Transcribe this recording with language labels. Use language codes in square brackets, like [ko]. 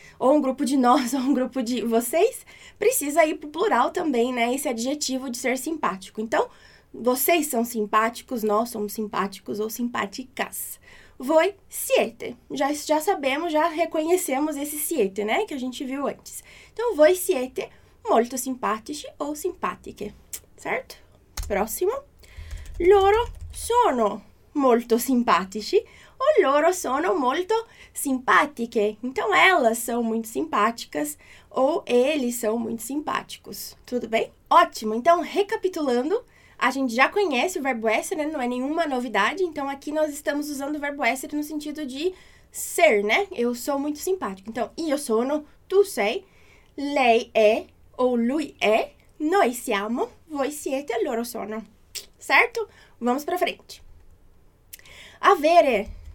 [pt] Ou um grupo de nós, ou um grupo de vocês, precisa ir pro plural também, né? Esse adjetivo de ser simpático. Então, vocês são simpáticos, nós somos simpáticos ou simpáticas. [it] Voi siete. [pt] Já sabemos, já reconhecemos esse siete, né? Que a gente viu antes. [it] Então, voi siete molto simpatici ou simpatiche. Certo? Próximo. Loro sono molto simpatici o loro sono molto simpatiche. [pt] Então, elas são muito simpáticas ou eles são muito simpáticos. Tudo bem? Ótimo! Então, recapitulando, a gente já conhece o verbo essere, né? Não é nenhuma novidade. Então, aqui nós estamos usando o verbo essere no sentido de ser, né? Eu sou muito simpático. Então, [it] io sono, tu sei, lei é ou lui é, noi siamo, voi siete, loro sono. [pt] Certo? Vamos para frente. [it] Avere,